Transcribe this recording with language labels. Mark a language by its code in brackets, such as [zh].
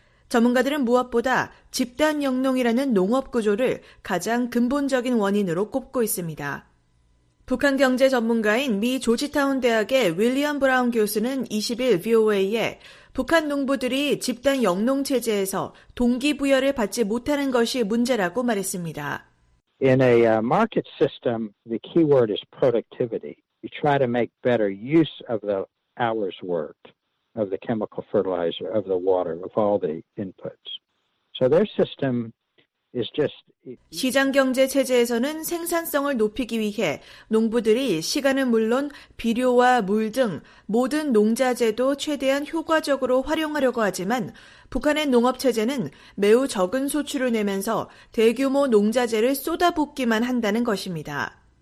[ko] 전문가들은 무엇보다 집단 영농이라는 농업 구조를 가장 근본적인 원인으로 꼽고 있습니다. 북한 경제 전문가인 미 조지타운 대학의 윌리엄 브라운 교수는 20일 VOA에 북한 농부들이 집단 영농 체제에서 동기부여를 받지 못하는 것이 문제라고 말했습니다. [en] In a market system, the key word is productivity. You try to make better use of the hours worked, of the chemical fertilizer, of the water, of all the inputs. So their system is just [ko] 시장 경제 체제에서는 생산성을 높이기 위해 농부들이 시간은 물론 비료와 물 등 모든 농자재도 최대한 효과적으로 활용하려고 하지만 북한의 농업 체제는 매우 적은 소출을 내면서 대규모 농자재를 쏟아붓기만 한다는 것입니다.